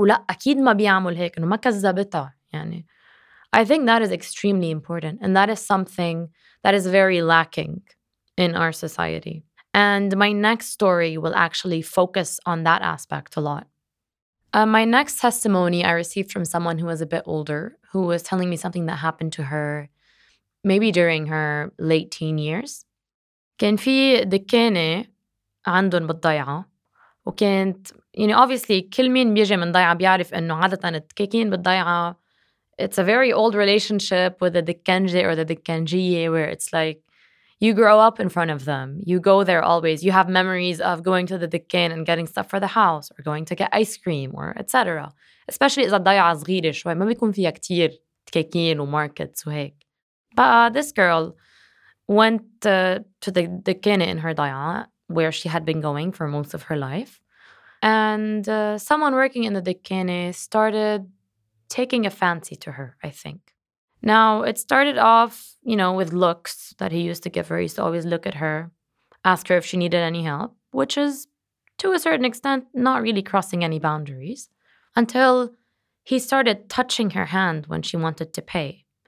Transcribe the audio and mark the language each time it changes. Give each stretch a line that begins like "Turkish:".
Arabic: ولا أكيد ما بيعمل هيك, أنه ما كذبتها.
English: يعني I think that is extremely important and that is something that is very lacking in our society. And my next story will actually focus on that aspect a lot. My next testimony I received from someone who was a bit older, who was telling me something that happened to her maybe during her late teen years.
Arabic: كان في دكانة عندهم بالضيعة وكانت,
English: you know, obviously
Arabic: كل مين بيجي من ضيعة بيعرف انه عادة الدكاكين بالضيعة,
English: it's a very old relationship with the دكانجي or the دكانجية where it's like you grow up in front of them. You go there always. You have memories of going to the دكان and getting stuff for the house or going to get ice cream or etc.
Arabic: Especially إذا الضيعة صغيرة شوي ما بيكون فيها كتير دكاكين وماركتس وهيك.
English: But this girl went to the دكانة in her ضيعة where she had been going for most of her life. And someone working in the دكانة started taking a fancy to her, I think. Now, it started off, you know, with looks that he used to give her. He used to always look at her, ask her if she needed any help, which is, to a certain extent, not really crossing any boundaries, until he started touching her hand when she wanted to pay.